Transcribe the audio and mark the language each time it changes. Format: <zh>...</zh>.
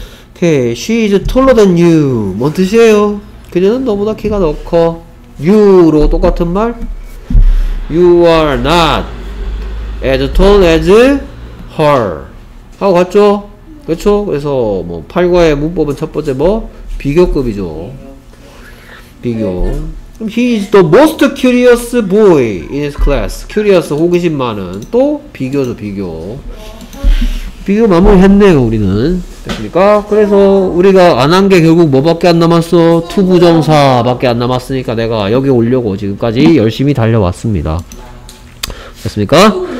<ko>오케이.</ko> <en>She is taller than you.</en> <ko>뭔 뜻이에요? 그녀는 너보다 키가 더 커.</ko> <en>you로</en> <ko>똑같은 말?</ko> <en>You are not as tall as her.</en> <ko>하고 갔죠? 그쵸? 그래서 뭐 8과의 문법은 첫 번째 뭐? 비교급이죠. 비교.</ko> <en>그럼 he is the most curious boy in his class.</en> <ko>curious 호기심 많은. 또 비교죠, 비교. 비교 마무리 했네요, 우리는. 됐습니까? 그래서 우리가 안 한 게 결국 뭐밖에 안 남았어? 투부정사밖에 안 남았으니까 내가 여기 오려고 지금까지 열심히 달려왔습니다. 됐습니까?</ko>